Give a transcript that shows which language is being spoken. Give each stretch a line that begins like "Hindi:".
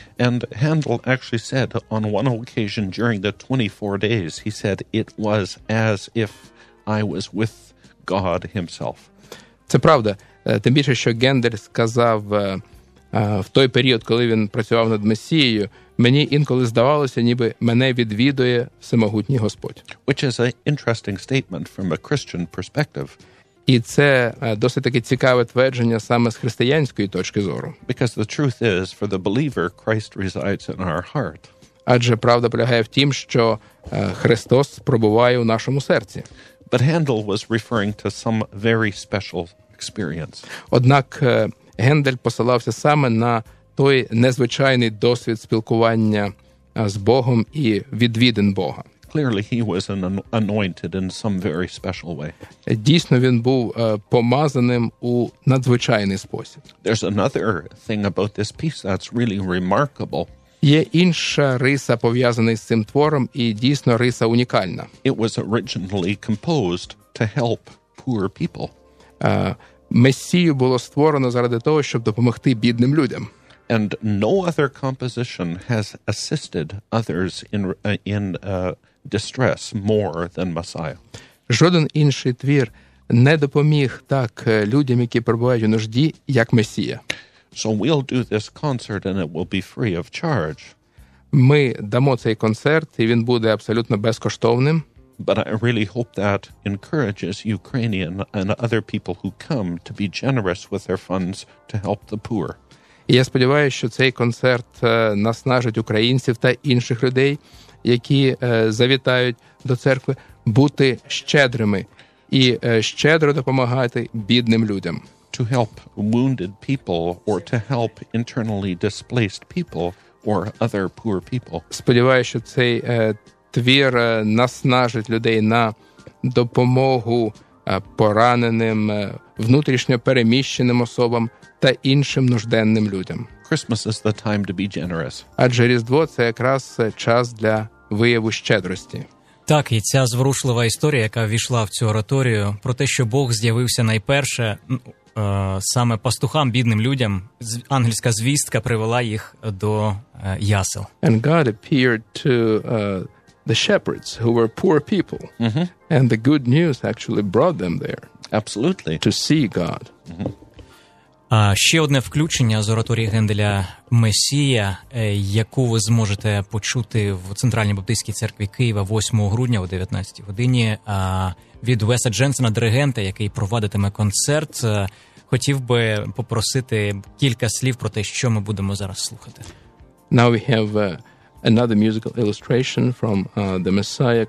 English: And Handel actually said on one occasion during the 24 days, he said, it was as if I was with God himself.
Ukrainian: Це правда. Тим більше, що Гендель сказав в той період, коли він працював над Месією, мені інколи здавалося, ніби мене відвідує всемогутній Господь.
English: Which is an interesting statement from a Christian perspective.
Ukrainian: І це досить таки цікаве твердження саме з християнської точки зору.
English: Because the truth is, for the believer, Christ resides in our heart.
Ukrainian: Адже правда полягає в тім, що Христос пробуває у нашому серці.
English: But Handel was referring to some very special experience.
Ukrainian: Однак Гендель посилався саме на той незвичайний досвід спілкування з Богом і відвідин Бога.
English: Clearly he was anointed in some very special way.
Ukrainian: Дійсно він був помазаним у надзвичайний спосіб.
English: There's another thing about this piece that's really remarkable.
Ukrainian: Є інша риса, пов'язана з цим твором, і дійсно риса унікальна.
English: It was originally composed to help poor people.
Ukrainian: Месію було створено заради того, щоб допомогти бідним людям.
English: And no other composition has assisted others in distress more than Messiah.
Ukrainian: Жоден інший твір не допоміг так людям, які перебувають у нужді, як Месія.
English: So we'll do this concert and it will be free of charge.
Ukrainian: Ми дамо цей концерт, і він буде абсолютно безкоштовним.
English: But I really hope that encourages Ukrainian and other people who come to be generous with their funds to help the poor.
Ukrainian: І я сподіваюся, що цей концерт наснажить українців та інших людей, які завітають до церкви, бути щедрими і щедро допомагати бідним людям.
English: To help wounded people or to help internally displaced people or other poor people.
Ukrainian: Сподіваюся, що цей твір наснажить людей на допомогу пораненим, внутрішньо переміщеним особам та іншим нужденним людям.
English: Christmas is the time to be generous.
Ukrainian: Адже Різдво – це якраз час для вияву щедрості. Так, і ця зворушлива історія, яка ввійшла в цю ораторію, про те, що Бог з'явився найперше саме пастухам, бідним людям, ангельська звістка привела їх до ясел.
English: And God appeared to the shepherds, who were poor people. Mm-hmm. And the good news actually brought them there. Absolutely. To see God. Mm-hmm.
Ukrainian: Ще одне включення з ораторії Генделя «Месія», яку ви зможете почути в Центральній Баптистській церкві Києва 8 грудня о 19 годині від Веса Дженсена, диригента, який провадитиме концерт. Хотів би попросити кілька слів про те, що ми будемо зараз слухати.
English: Now we have another musical illustration from the Messiah.